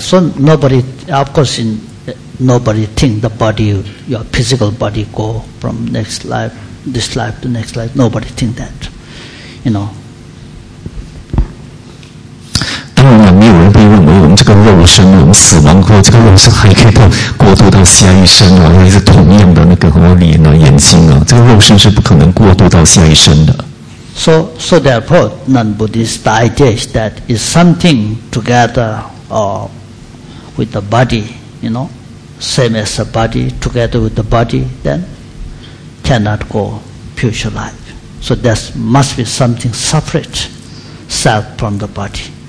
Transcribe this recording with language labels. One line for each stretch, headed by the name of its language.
English: So nobody, of course, nobody think the body, your physical body go from next life, this life to next life. Nobody think that, you know.
Chinese: 当然没有人会认为我们这个肉身，我们死亡后这个肉身还可以过渡到下一生啊，那是同样的那个眼睛啊，这个肉身是不可能过渡到下一生的。So
English: therefore, non-Buddhist, the idea is that it's something together with the body, you know, same as the body, together with the body, then cannot go future life. So there must be something separate, self from the body.